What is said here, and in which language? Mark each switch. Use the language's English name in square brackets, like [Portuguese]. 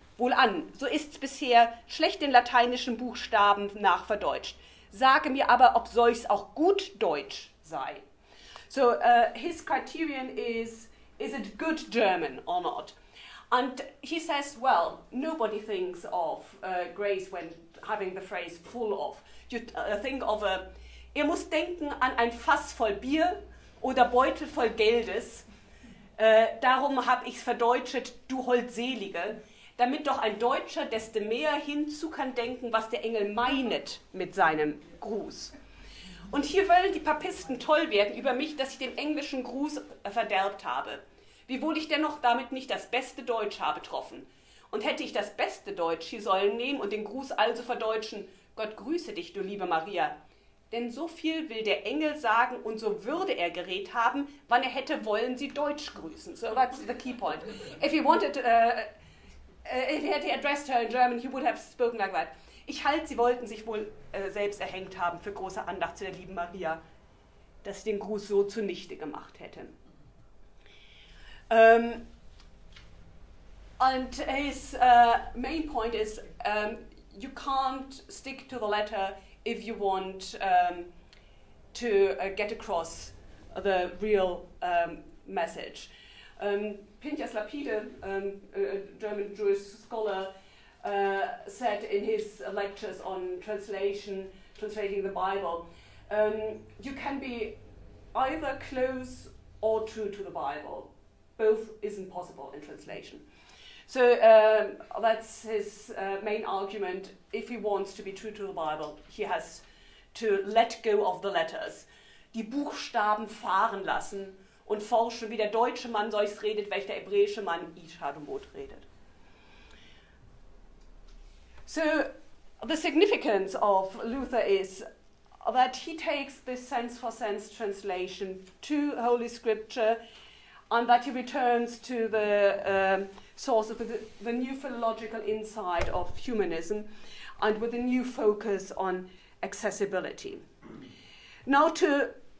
[German] Wohlan, so ist's bisher, schlecht den lateinischen Buchstaben nach verdeutscht. Sage mir aber, ob solch's auch gut Deutsch sei. [English] So his criterion is it good German or not? And he says, well, nobody thinks of grace when having the phrase full of. You think of a, [German] ihr muss denken an ein Fass voll Bier oder Beutel voll Geldes. Darum hab ich's verdeutscht, du Holdselige, damit doch ein Deutscher desto mehr hinzu kann denken, was der Engel meinet mit seinem Gruß. Und hier wollen die Papisten toll werden über mich, dass ich den englischen Gruß verderbt habe. Wiewohl ich dennoch damit nicht das beste Deutsch habe getroffen. Und hätte ich das beste Deutsch hier sollen nehmen und den Gruß also verdeutschen, Gott grüße dich, du liebe Maria. Denn so viel will der Engel sagen und so würde er geredet haben, wann er hätte wollen sie Deutsch grüßen. [English] So that's the key point. If he wanted... if he had addressed her in German, he would have spoken like that. Ich halte, sie wollten sich wohl selbst erhängt haben für große Andacht zu der lieben Maria, dass sie den Gruß so zunichte gemacht hätte. And his main point is, you can't stick to the letter if you want to get across the real message. Pinchas Lapide, a German Jewish scholar, said in his lectures on translating the Bible, you can be either close or true to the Bible. Both isn't possible in translation. So that's his main argument. If he wants to be true to the Bible, he has to let go of the letters. [German] Die Buchstaben fahren lassen, und forschen, wie der deutsche Mann solches redet, welch der hebräische Mann Ishadumot redet. [English] So, the significance of Luther is that he takes this sense-for-sense translation to Holy Scripture and that he returns to the source of the new philological insight of humanism and with a new focus on accessibility. Now to...